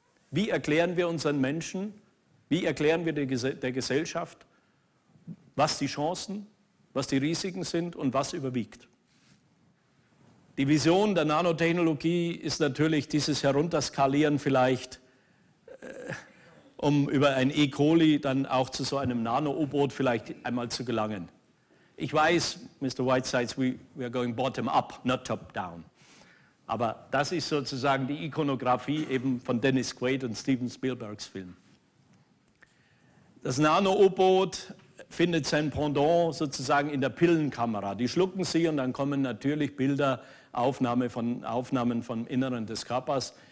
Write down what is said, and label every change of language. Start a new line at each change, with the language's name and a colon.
German: Wie erklären wir unseren Menschen, wie erklären wir der Gesellschaft, was die Chancen, was die Risiken sind und was überwiegt? Die Vision der Nanotechnologie ist natürlich dieses Herunterskalieren vielleicht, um über ein E. coli dann auch zu so einem Nano-U-Boot vielleicht einmal zu gelangen. Ich weiß, Mr.
English: Whitesides, we are going bottom up, not top down.
German: Aber das ist sozusagen die Ikonografie eben von Dennis Quaid und Steven Spielbergs Film. Das Nano-U-Boot findet sein Pendant sozusagen in der Pillenkamera. Die schlucken sie und dann kommen natürlich Bilder, Aufnahmen vom Inneren des Körpers.